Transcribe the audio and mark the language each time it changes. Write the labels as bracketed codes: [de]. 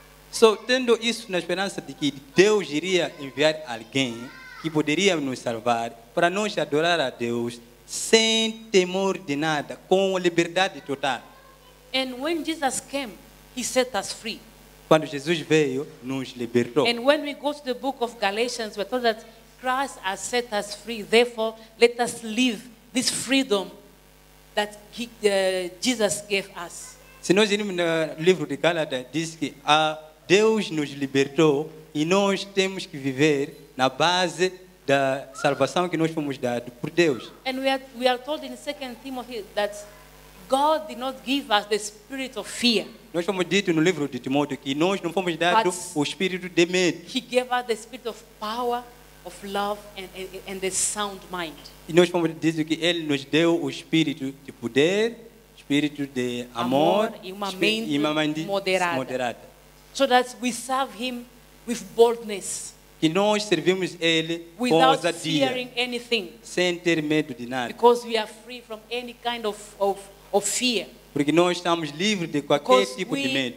[pt] So, tendo isso na esperança de que Deus iria enviar alguém que poderia nos salvar para nós adorar a Deus sem temor de nada, com liberdade total. [en] And when Jesus came, He set us free. [pt] Quando Jesus veio, nos libertou. [en] And when we go to the book of Galatians, we're told that Christ has set us free. Therefore, let us live this freedom that Jesus gave us. [pt] Se nós irmos no livro de Gálatas, diz que Deus nos libertou e nós temos que viver na base da salvação que nós fomos dados por Deus. [en] And we are told in 2 Timothy that God did not give us the spirit of fear. [pt] Nós fomos dito no livro de Timóteo que nós não fomos dado o espírito de medo. [en] He gave us the spirit of power, of love, and a sound mind. [pt] E nós fomos dito que Ele nos deu o espírito de poder, espírito de amor, e uma mente moderada. [en] So that we serve Him with boldness. [pt] Que nós servimos Ele com ousadia. [en] Fearing anything. [pt] Sem ter medo de nada. [en] Because we are free from any kind of fear. [pt] Porque nós estamos livres de qualquer tipo de medo.